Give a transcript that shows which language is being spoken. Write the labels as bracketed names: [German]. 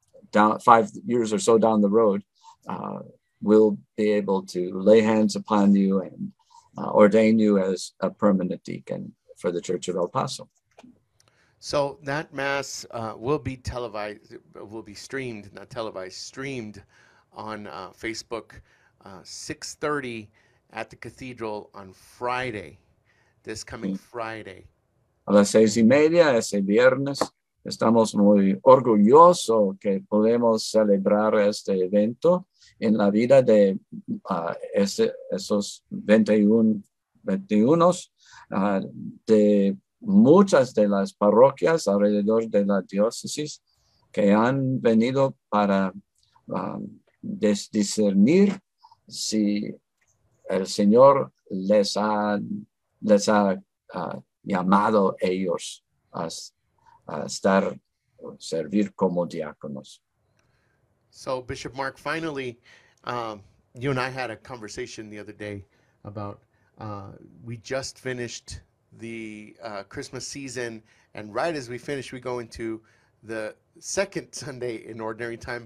[English] down 5 years or so down the road, will be able to lay hands upon you and ordain you as a permanent deacon for the Church of El Paso. So that Mass will be televised, will be streamed, not televised, streamed on Facebook, 6:30 at the cathedral on Friday, this coming Friday. [Spanish] A las 6:30, ese viernes, estamos muy orgullosos que podemos celebrar este evento en la vida de esos 21 de muchas de las parroquias alrededor de la diócesis que han venido para discernir si el Señor les ha llamado ellos a estar a servir como diáconos. [English] So, Bishop Mark, finally, you and I had a conversation the other day about we just finished the Christmas season, and right as we finish, we go into the second Sunday in Ordinary Time.